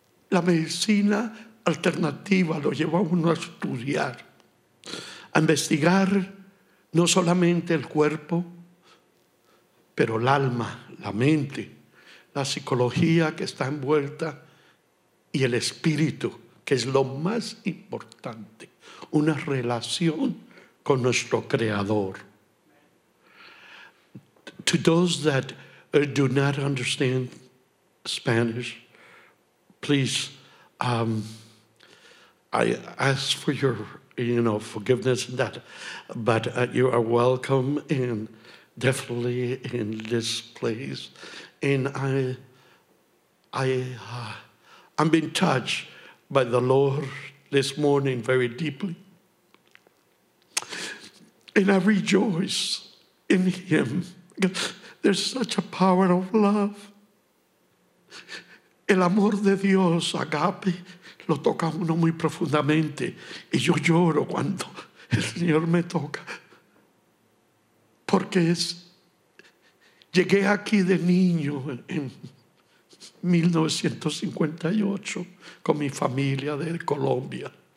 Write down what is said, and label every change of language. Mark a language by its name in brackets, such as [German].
[Spanish] La medicina alternativa lo lleva a uno a estudiar, a investigar no solamente el cuerpo, pero el alma, la mente, la psicología que está envuelta y el espíritu, que es lo más importante, una relación con nuestro Creador. [English] To those that do not understand Spanish, please I ask for your forgiveness in that, but you are welcome and definitely in this place. And I'm been touched by the Lord this morning very deeply, and I rejoice in Him. There's such a power of love. [Spanish] El amor de Dios, agape, lo toca uno muy profundamente. Y yo lloro cuando el Señor me toca. Porque es, llegué aquí de niño en 1958 con mi familia de Colombia.